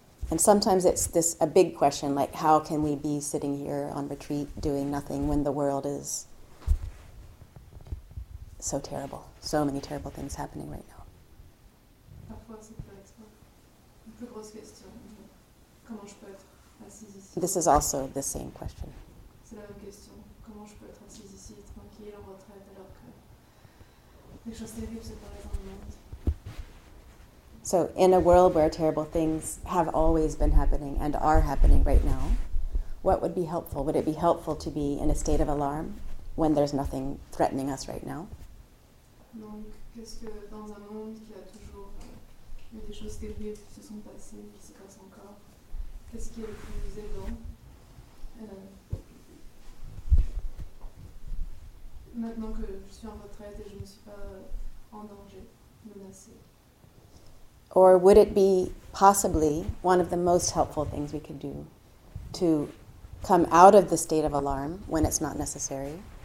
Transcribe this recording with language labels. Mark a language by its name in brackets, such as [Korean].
[English] And sometimes it's this a big question, like how can we be sitting here on retreat doing nothing when the world is so terrible, so many terrible things happening right now. [French] Parfois, ça peut être une plus grosse question. Comment je peux être assise ici? [English] This is also the same question. [French] C'est la même question. Comment je peux être assise ici, tranquille, en retraite, alors que les choses terribles se passent dans le monde. [English] So in a world where terrible things have always been happening and are happening right now, what would be helpful? Would it be helpful to be in a state of alarm when there's nothing threatening us right now? [French] Donc, qu'est-ce que dans un monde qui a toujours eu des choses terribles qui se sont passées, qui se passent encore, qu'est-ce qui est le plus aidant? Maintenant que je suis en retraite et je ne suis pas en danger, menacée. [English] Or would it be possibly one of the most helpful things we could do to come out of the state of alarm when it's not necessary?